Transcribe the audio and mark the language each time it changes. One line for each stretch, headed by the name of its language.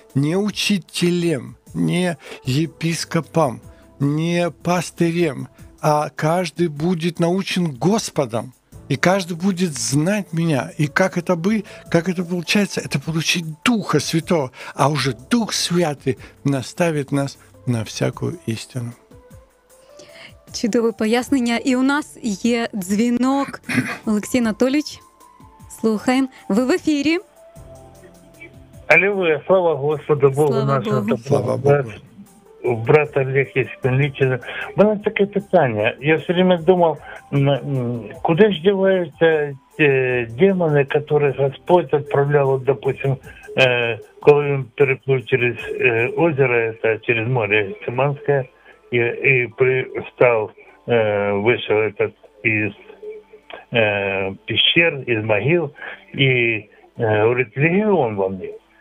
Russian: Не учителем, не епископом, не пастырем, а каждый будет научен Господом, и каждый будет знать меня. И как это получается? Это получить Духа Святого, а уже Дух Святый наставит нас на всякую истину.
Ukrainian: Чудове пояснення. І у нас є дзвінок. Олексій Анатолійович, слухаємо. Ви в ефірі. Алілуя, слава Господу Богу нашому. Слава Богу.
Russian: Брат Олег, есть конечно. У меня такое питание. Я все время думал, куда же деваются те демоны, которые Господь отправлял, вот, допустим, когда он переплыл через озеро, это через море Семанское, и пристал, вышел этот из пещер, из могил, и говорит, легион во мне.